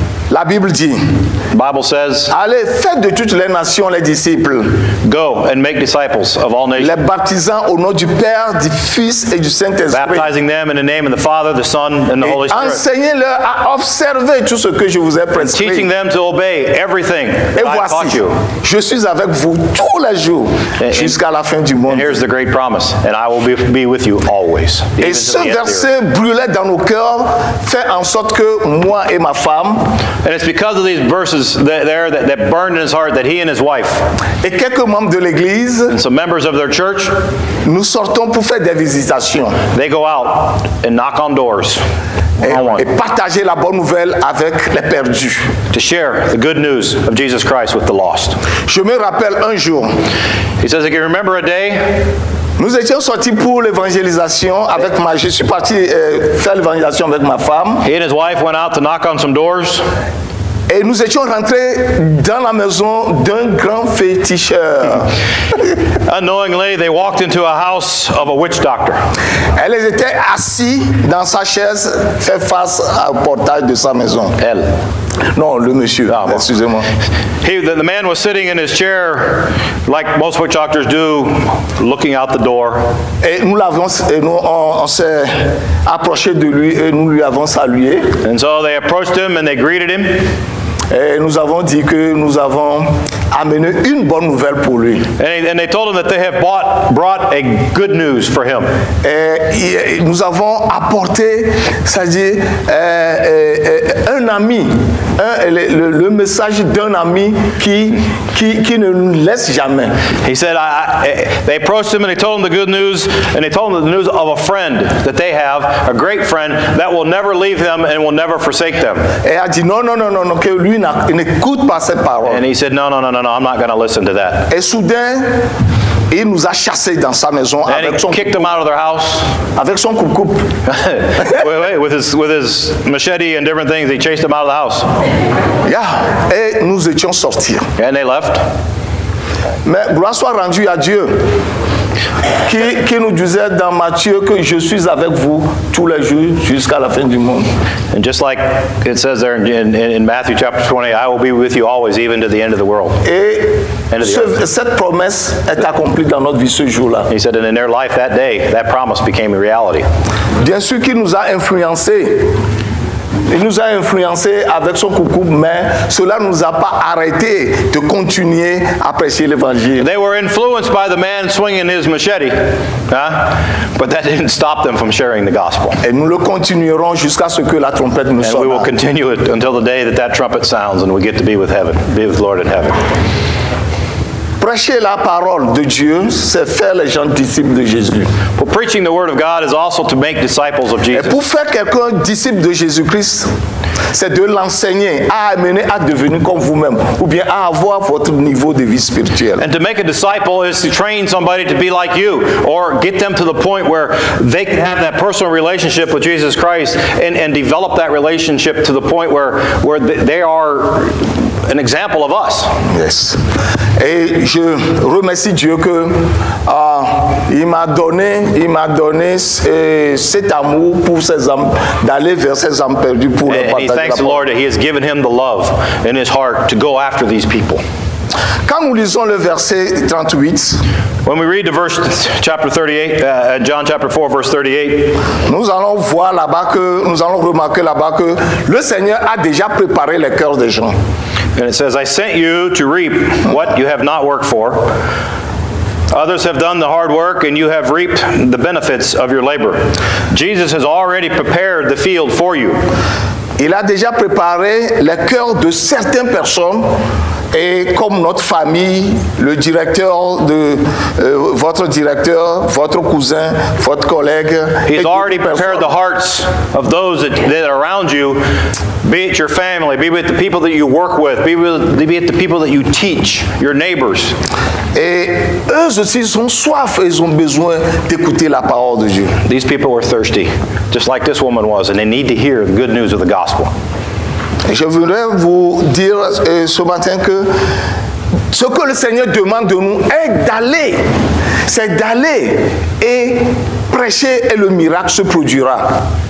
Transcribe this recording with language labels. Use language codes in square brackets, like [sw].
[fr] la Bible dit, [en] Bible says, [fr] allez, faites de toutes les nations les disciples. [en] Go and make disciples of all nations. [fr] Les baptisant au nom du Père, du Fils et du Saint-Esprit. [en] Baptizing them in the name of the Father, the Son, and the [fr] et [en] Holy Spirit. [fr] Enseignez-leur à observer tout ce que je vous ai prescrit. [en] Teaching them to obey everything that I've taught you. [fr] Je suis avec vous tous les jours jusqu'à la fin du monde. [en] And here's the great promise, and I will be with you always. [fr] Et ce verset brûlait dans nos cœurs, fait en sorte que moi et ma femme. [en] And it's because of these verses that burned in his heart that he and his wife. [fr] Et quelques membres de l'église. [en] And some members of their church. [fr] Nous sortons pour faire des visitations. [en] They go out and knock on doors. [fr] Et partager la bonne nouvelle avec les perdus. [en] To share the good news of Jesus Christ with the lost. [fr] Je me rappelle un jour. [en] He says, I can remember a day. [fr] Nous étions sortis pour l'évangélisation avec ma. Je suis parti faire l'évangélisation avec ma femme. [en] He and his wife went out to knock on some doors. [fr] Et nous étions rentrés dans la maison d'un grand féticheur. [en] Unknowingly, they walked into a house of a witch doctor. [fr] Elle était assise dans sa chaise, fait face au portail de sa maison. Elle. Non, le monsieur. Ah, bon. Excusez-moi. [en] The man was sitting in his chair, like most witch doctors do, looking out the door. [fr] Et nous l'avons, et nous on s'est approché de lui et nous lui avons salué. [en] And so they approached him and they greeted him. [fr] Et nous avons dit que nous avons amené une bonne nouvelle pour lui. [en] And they told him that they have brought a good news for him. [fr] Et nous avons apporté, c'est-à-dire un ami, le message d'un ami qui ne nous laisse jamais. [en] He said, they approached him and they told him the good news, and they told him the news of a friend that they have, a great friend that will never leave them and will never forsake them. [fr] Et il a dit non, que lui n'écoute pas ces paroles. [en] And he said, no, I'm not going to listen to that. [fr] Et soudain, il nous a chassés dans sa maison [en] and [fr] avec [en] he [fr] son [en] kicked them out of their house. [fr] Avec son coupe-coupe. [en] with his machete and different things, he chased them out of the house. [fr] Yeah. Et nous étions sortis. [en] And they left. [fr] Mais gloire soit rendue à Dieu. Qui nous disait dans Matthieu que je suis avec vous tous les jours jusqu'à la fin du monde. [en] And just like it says there in Matthew chapter 20, I will be with you always, even to the end of the world. [fr] Cette promesse est accomplie dans notre vie ce jour-là. [en] He said, and in their life that day, that promise became a reality. [fr] Bien sûr qu'il nous a influencés. Il nous a influencé avec son coucou, mais cela ne nous a pas arrêté de continuer à prêcher l'évangile. [en] They were influenced by the man swinging his machete, huh? But that didn't stop them from sharing the gospel. [fr] Et nous le continuerons jusqu'à ce que la trompette nous sonne. [en] And we will continue it until the day that trumpet sounds and we get to be with heaven, be with the Lord in heaven. [fr] Prêcher la parole de Dieu, c'est faire les gens disciples de Jésus. [en] Well, preaching the word of God is also to make disciples of Jesus. [fr] Et pour faire quelqu'un disciple de Jésus-Christ, c'est de l'enseigner à amener à devenir comme vous-même ou bien à avoir votre niveau de vie spirituel. [en] And to make a disciple is to train somebody to be like you or get them to the point where they can have that personal relationship with Jesus Christ and develop that relationship to the point where they are an example of us. Yes. [fr] Et je remercie Dieu que il m'a donné cet amour pour ces âmes, d'aller vers ces âmes perdues pour le partager. [en] And he thanks the Lord that he has given him the love in his heart to go after these people. [fr] Quand nous lisons le verset 38, [en] when we read the verse chapter 38, John chapter 4 verse 38, [fr] nous allons remarquer là-bas que le Seigneur a déjà préparé les cœurs des gens. [en] And it says, I sent you to reap what you have not worked for. Others have done the hard work and you have reaped the benefits of your labor. Jesus has already prepared the field for you. [fr] Il a déjà préparé le cœur de certaines personnes et comme notre famille, le directeur de votre directeur, votre cousin, votre collègue. [en] He's already prepared the hearts of those that are around you. Be it your family, be with the people that you work with, be with the people that you teach, your neighbors. [fr] Et eux aussi ont soif et ils ont besoin d'écouter la parole de Dieu. [en] These people were thirsty, just like this woman was, and they need to hear the good news of the gospel. [fr] Et je voudrais vous dire ce matin que Ce que le Seigneur demande de nous est d'aller. C'est d'aller et prêcher et le miracle se produira.